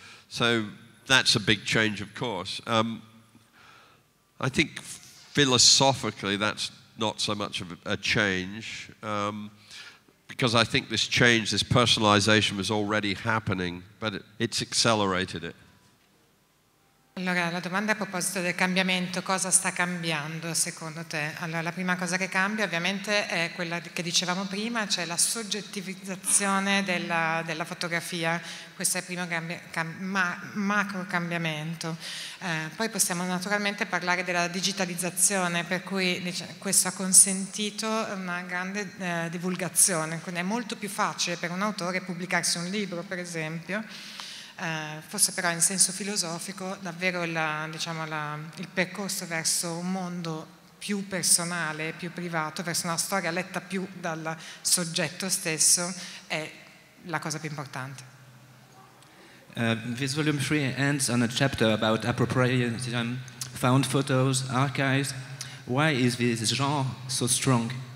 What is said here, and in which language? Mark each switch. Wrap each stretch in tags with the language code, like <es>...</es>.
<en>So that's a big change, of course. I think philosophically, that's not so much of a change, because I think this change, this personalization was already happening, but it's accelerated it.</en> <it>Allora, la domanda a proposito del cambiamento, cosa sta cambiando secondo te? Allora, la prima cosa che cambia ovviamente è quella che dicevamo prima, cioè la soggettivizzazione della fotografia, questo è il primo macro cambiamento. Poi possiamo naturalmente parlare della digitalizzazione, per cui questo ha consentito una grande divulgazione, quindi è molto più facile per un autore pubblicarsi un libro, per esempio. Forse però in senso filosofico davvero il percorso verso un mondo più personale, più privato, verso una storia letta più dal soggetto stesso è la cosa più importante.</it> <en>This volume 3 ends on a chapter about appropriate found photos, archives. Why is this genre so strong?</en>